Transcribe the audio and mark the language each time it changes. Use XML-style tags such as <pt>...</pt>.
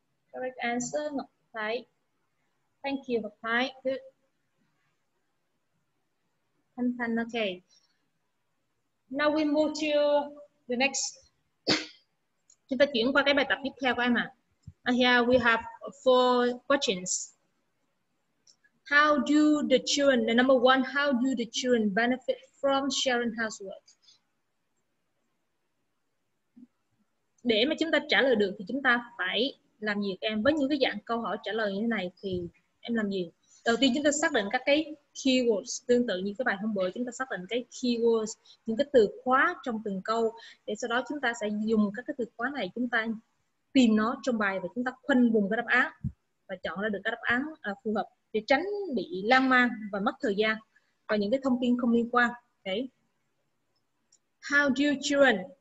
<en>Correct answer, Ngọc Thái. Thank you, Ngọc Thái. Good. Thanh Thanh, okay. Now we move to the next.</en> <vi>Chúng ta chuyển qua cái bài tập tiếp theo của em ạ.</vi> <en>Here we have four questions. How do the children, the number one, how do the children benefit from sharing housework?</en> <vi>Để mà chúng ta trả lời được thì chúng ta phải làm gì em? Với những cái dạng câu hỏi trả lời như thế này thì em làm gì? Đầu tiên chúng ta xác định các cái keywords, tương tự như cái bài hôm bữa, chúng ta xác định cái keywords, những cái từ khóa trong từng câu, để sau đó chúng ta sẽ dùng các cái từ khóa này, chúng ta tìm nó trong bài và chúng ta khoanh vùng cái đáp án và chọn ra được cái đáp án phù hợp để tránh bị lan man và mất thời gian và những cái thông tin không liên quan. Okay.</vi> <en>How do children?</en>